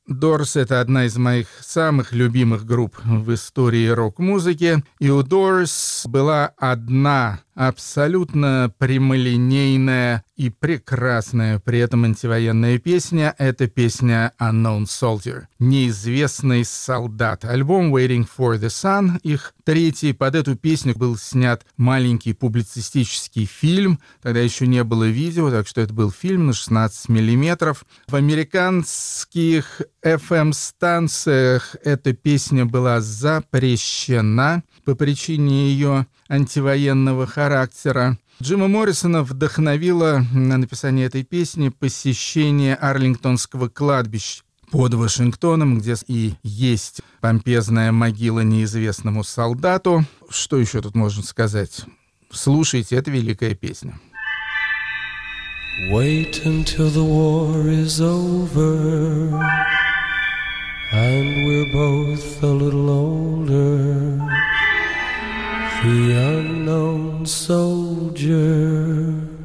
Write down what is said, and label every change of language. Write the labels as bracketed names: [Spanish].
[Russian] Doors — это одна из моих самых любимых групп в истории рок-музыки. И у Doors была одна абсолютно прямолинейная и прекрасная при этом антивоенная песня. Это песня Unknown Soldier, «Неизвестный солдат». Альбом Waiting for the Sun, их третий. Под эту песню был снят маленький публицистический фильм. Тогда еще не было видео, так что это был фильм на 16 миллиметров. В американских FM-станциях эта песня была запрещена по причине ее антивоенного характера. Джима Моррисона вдохновило на написание этой песни посещение Арлингтонского кладбища под Вашингтоном, где и есть помпезная могила неизвестному солдату. Что еще тут можно сказать? Слушайте, это великая песня. [English] Wait until the war is over, and we're both a little older. The unknown soldier.